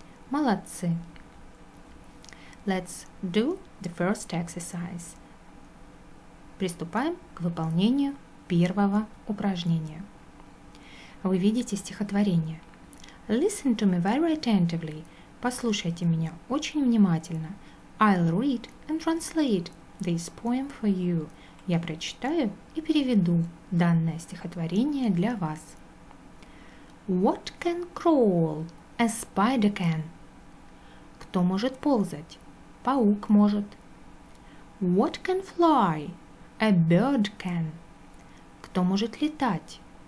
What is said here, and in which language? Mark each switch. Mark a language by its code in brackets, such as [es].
[ru] Молодцы. [en] Let's do the first exercise. [ru] Приступаем к выполнению первого упражнения. Вы видите стихотворение. [en] Listen to me very attentively. [ru] Послушайте меня очень внимательно. [en] I'll read and translate this poem for you. [ru] Я прочитаю и переведу данное стихотворение для вас. [en] What can crawl? A spider can. [ru] Кто может ползать? Паук может. [en] What can fly? A bird can. [ru] Кто может летать?